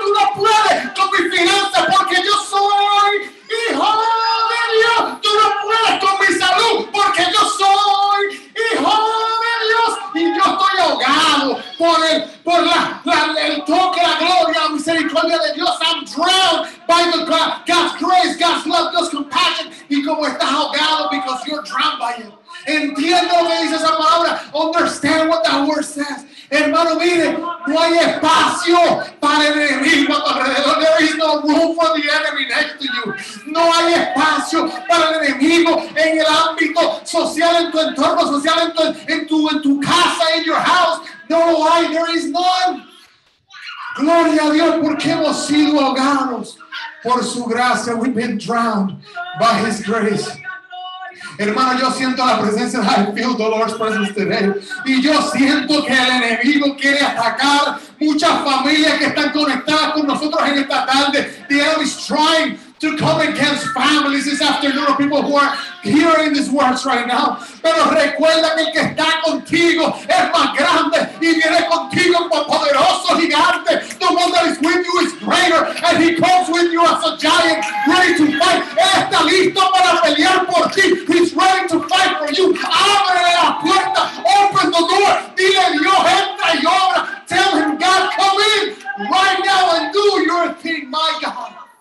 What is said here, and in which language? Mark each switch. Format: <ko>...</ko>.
<es>Tú no puedes con mi finanza, porque yo soy hijo de Dios. Tú no puedes con mi salud, porque yo soy hijo de Dios. Y yo estoy ahogado por él. Por el toque, la gloria, la misericordia de Dios.</es> <en>I'm drowned by the God's grace, God's love, God's compassion.</en> <es>Y como estás ahogado,</es> <en>because you're drowned by it.</en> <es>Entiendo lo que dice esa palabra.</es> <en>Understand what that word says.</en> <es>Hermano, mire, no hay espacio para el enemigo a tu alrededor.</es> <en>There is no room for the enemy next to you.</en> <es>No hay espacio para el enemigo en el ámbito social, en tu entorno social, en tu casa,</es> <en>in your house.</en> <es>No hay,</es> <en>there is none.</en> <es>Gloria a Dios, porque hemos sido ahogados por su gracia.</es> <en>We've been drowned by his grace.</en> <es>Hermano, yo siento la presencia,</es> <en>I feel the Lord's presence today.</en> <es>Y yo siento que el enemigo quiere atacar muchas familias que están conectadas con nosotros en esta tarde.</es> <en>The enemy is trying to come against families this afternoon, or people who are hearing these words right now.</en> <es>Pero recuerda que el que está contigo es más grande, y viene contigo un poderoso gigante.</es> <en>The one that is with you is greater, and he comes with you as a giant, ready to fight.</en> <es>Él está listo para pelear por ti.</es> <en>He's ready to fight for you.</en> <es>Abre la puerta,</es> <en>open the door.</en> <es>Dile Dios, entra y obra.</es> <en>Tell him, God, come in right now and do your thing, my God.</en>